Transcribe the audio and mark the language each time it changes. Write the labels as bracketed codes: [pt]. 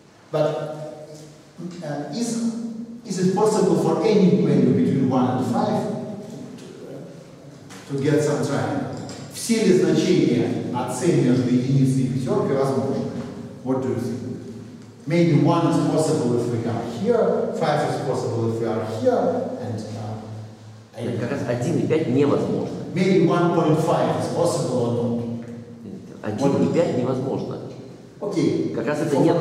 [en] But is it possible for any value between 1 and 5 to get some triangle? [ru] Все ли значения от C между единицей и пятеркой возможны? [en] What do you think? Maybe 1 is possible if we are here, 5 is possible if we are here, and [ru] 8. Как раз 1 и 5 невозможно. [en] Maybe 1.5 is possible or not. [ru] 1 и 5 невозможно. [en] Okay. [ru] Как раз это нет